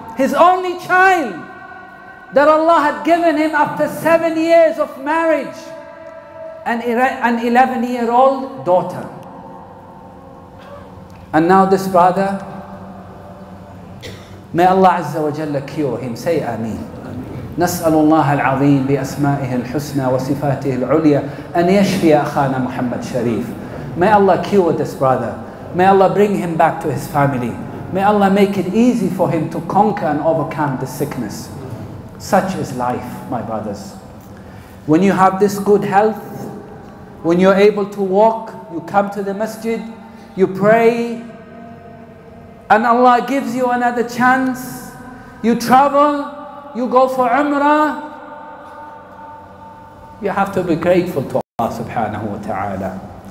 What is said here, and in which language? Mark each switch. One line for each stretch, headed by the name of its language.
English: His only child that Allah had given him after 7 years of marriage, an 11-year-old daughter. And now this brother, may Allah Azza wa Jalla cure him. Say Ameen.
Arabic: نسأل الله العظيم بأسمائه الحسنى وصفاته العليا أن يشفي أخانا محمد شريف.
English: May Allah cure this brother. May Allah bring him back to his family. May Allah make it easy for him to conquer and overcome the sickness. Such is life, my brothers. When you have this good health, when you're able to walk, you come to the masjid, you pray, and Allah gives you another chance, you travel, you go for Umrah, you have to be grateful to Allah subhanahu wa ta'ala.